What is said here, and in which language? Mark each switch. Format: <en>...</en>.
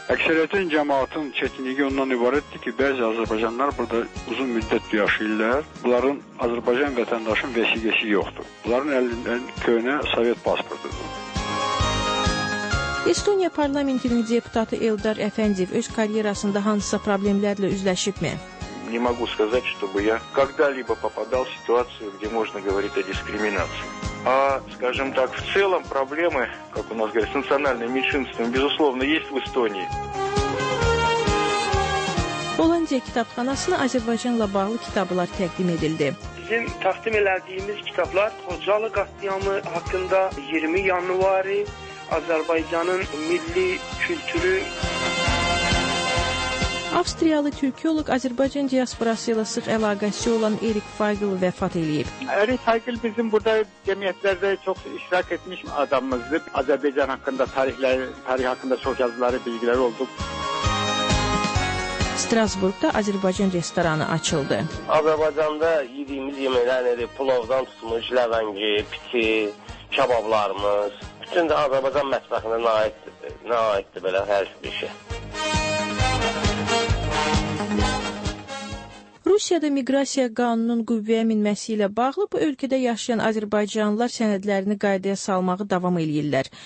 <az>Əksəriyyətin cəmaatın çətinliyi ondan ibarətdir ki, bəzi azərbaycanlılar burada uzun müddət yaşayırlar. Bunların Azərbaycan vətəndaşın vəsiqəsi yoxdur. Bunların əlindən köhnə sovet pasportudur. Estoniya parlamentinin deputatı Eldar Əfəndiyev öz karyerasında hansısa problemlərlə üzləşibmi?</az> <ru>Не могу сказать, чтобы я когда-либо попадал в ситуацию, где можно говорить о дискриминации. А, скажем так, в целом проблемы, как у нас говорят, с национальным меньшинством, безусловно, есть в Эстонии.</ru> <az>Оландия китапханасына Азербайджанла баглы китаблар тәкдим edildi. Bizim təqdim elədiyimiz kitablar Xocalı qatliamı haqqında 20 yanvari Azərbaycanın milli kültürü. Avstriyalı türkiyolog Azərbaycan diasporası ilə sıx əlaqəsi olan Erik Feigl vəfat eləyib. Erik Feigl bizim burada cəmiyyətlərdə çox iştirak etmiş adamımızdır. Azərbaycan haqqında tarix haqqında çox yazıları, bilgiləri olduq.</az> <tr>Strasbourg'da Azerbaycan restoranı açıldı. Azerbaycan'da yediğimiz yemekler nedir?</tr> <az>Pulovdan tutmuş, levengi, piti, kebablarımız. Bütün de Azerbaycan mətbəxinə nə aiddir belə hər bir şey. Rusiyada miqrasiya qanunun qüvvəyə minməsi ilə bağlı bu ölkədə yaşayan azərbaycanlılar sənədlərini qaydaya salmağı davam edirlər.</az>